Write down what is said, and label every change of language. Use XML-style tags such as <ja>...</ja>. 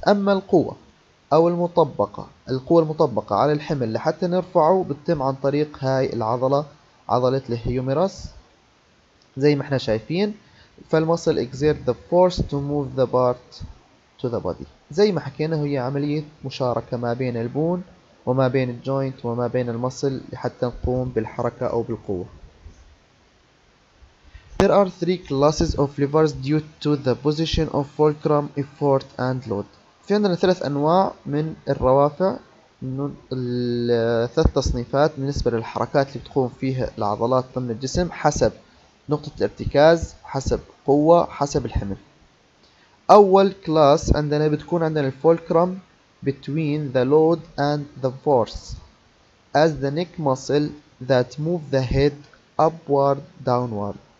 <ar>أما القوة أو المطبقة، القوة المطبقة على الحمل لحتى نرفعه بتتم عن طريق هاي العضلة، عضلة الهيوميرس زي ما احنا شايفين. فالمصل</ar> <en>exert the force to move the part to the body،</en> <ar>زي ما حكينا هي عملية مشاركة ما بين البون وما بين الجوينت وما بين المصل لحتى نقوم بالحركة أو بالقوة.</ar> <en>There are three classes of levers due to the position of fulcrum, effort and load.</en> <ar>في عندنا ثلاث أنواع من الروافع، الثلاث تصنيفات بالنسبة للحركات اللي بتقوم فيها العضلات ضمن الجسم حسب نقطة الارتكاز، حسب قوة، حسب الحمل. أول كلاس عندنا بتكون عندنا الفولكرم</ar> <en>between the load and the force as the neck muscle that move the head upward downward.</en>